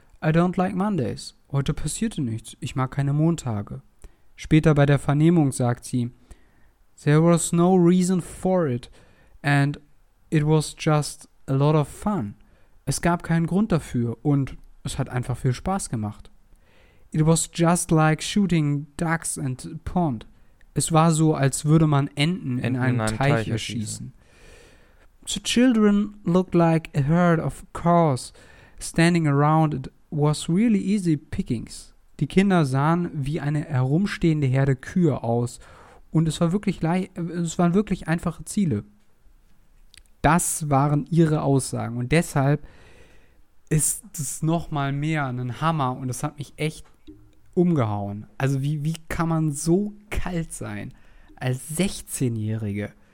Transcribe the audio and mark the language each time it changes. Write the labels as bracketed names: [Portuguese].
[English] I don't like Mondays. [German] Heute passierte nichts. Ich mag keine Montage. Später bei der Vernehmung sagt sie, [English] there was no reason for it and it was just a lot of fun. [German] Es gab keinen Grund dafür und es hat einfach viel Spaß gemacht. [English] It was just like shooting ducks in a pond. [German] Es war so, als würde man Enten in einem Teich erschießen. [English] The children looked like a herd of cows standing around. It was really easy pickings. [German] Die Kinder sahen wie eine herumstehende Herde Kühe aus. Und es war wirklich es waren wirklich einfache Ziele. Das waren ihre Aussagen. Und deshalb ist es nochmal mehr ein Hammer. Und es hat mich echt umgehauen. Also wie kann man so kalt sein als 16-Jährige?